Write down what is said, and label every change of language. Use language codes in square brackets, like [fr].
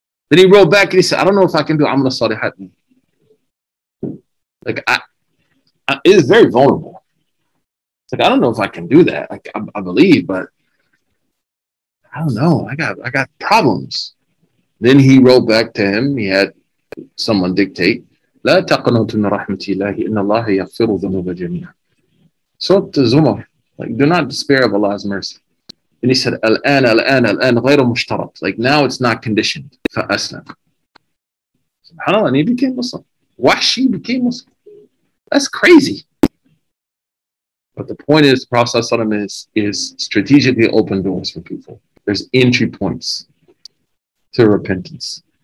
[en] Then he wrote back and he said, I don't know if I can do [ar] عَمْلَ صَالِحَةٍ. [en] Like, I it is very vulnerable. It's like, I don't know if I can do that. Like, I believe, but I don't know. I got problems. Then he wrote back to him. He had someone dictate. [ar] لا تقنطوا من رحمة الله إن الله يغفر ذنوب الجميع. [en] So to Zumar, like, do not despair of Allah's mercy. And he said, [ar] الآن الآن الآن غير مشترط. [en] Like, now it's not conditioned. [ar] فأسلم. [en] SubhanAllah, and he became Muslim. Wahshi became Muslim. That's crazy. But the point is, Prophet ﷺ is strategically open doors for people. There's entry points to repentance.